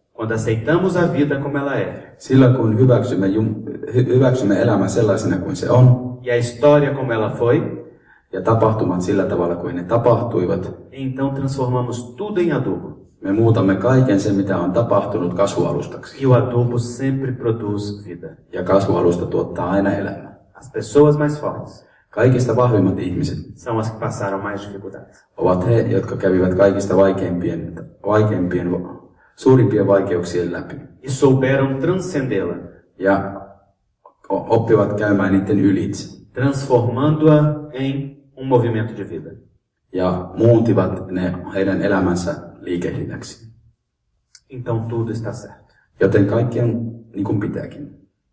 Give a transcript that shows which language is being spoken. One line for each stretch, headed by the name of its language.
Portuguese: Quando aceitamos a vida como ela é.
Finnish: Silloin kun hyväksymme elämä sellaisena kuin se on.
Portuguese: E a história como ela foi.
Finnish: Ja tapahtumat sillä tavalla kuin ne tapahtuivat.
Portuguese: Então transformamos tudo em adubo.
Finnish: Me muutamme kaiken sen, mitä on tapahtunut kasvualustaksi.
Portuguese: E o adubo sempre produz vida.
Finnish: Ja kasvualusta tuottaa aina elämää.
Portuguese: As pessoas mais fortes.
Finnish: Kaikista vahvimmat ihmiset.
Portuguese: São as que passaram mais dificuldades.
Finnish: Ovat he, jotka kävivät kaikista vaikeimpien suurimpien vaikeuksien läpi.
Portuguese: E souberam transcendê-la.
Finnish: Ja oppivat käymään niiden ylitse.
Portuguese: Transformando-a em movimento de vida.
Finnish: Ja muuntivat ne heidän elämänsä liikehdinnäksi.
Portuguese: Então tudo está certo.
Finnish: Joten kaikki on niin kuin pitääkin.